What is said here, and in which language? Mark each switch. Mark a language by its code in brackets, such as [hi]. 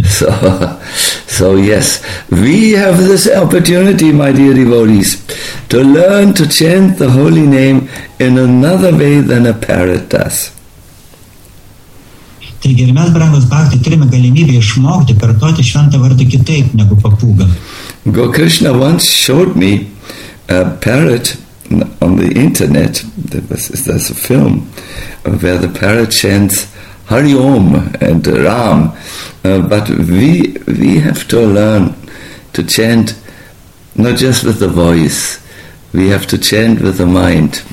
[en] So yes, we have this opportunity, my dear devotees, to learn to chant the holy name in another way than a parrot does. [lt] Taigi ir mes, brangus bhakti, turime galimybę išmokti kartuoti šventą vardą kitaip negu papūgą. [en] Gokrishna once showed me a parrot on the internet. There's a film where the parrot chants Hari Om and Ram, but we have to learn to chant not just with the voice, we have to chant with the mind.